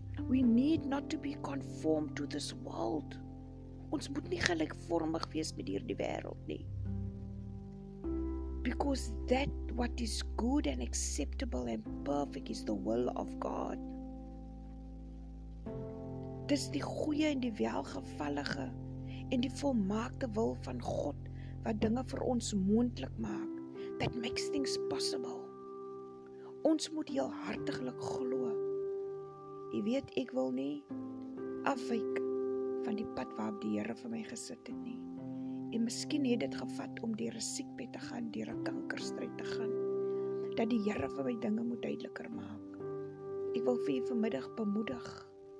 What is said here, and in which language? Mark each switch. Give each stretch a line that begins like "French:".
English: We need not to be conformed to this world.
Afrikaans: Ons moet nie gelykvormig wees met hierdie wêreld nie.
English: Because that what is good and acceptable and perfect is the will of God.
Afrikaans: Dis die goeie en die welgevallige en die volmaakte wil van God wat dinge vir ons moontlik maak.
English: That makes things possible.
Afrikaans: Ons moet heel hartiglik glo. Jy weet, ek wil nie afwyk van die pad waarop die Here vir my gesit het nie. En miskien het dit gevat om deur 'n siekbed te gaan, deur 'n kankerstryd te gaan, dat die Here vir my dinge moet duideliker maak. Ek wil vir jy vanmiddag bemoedig.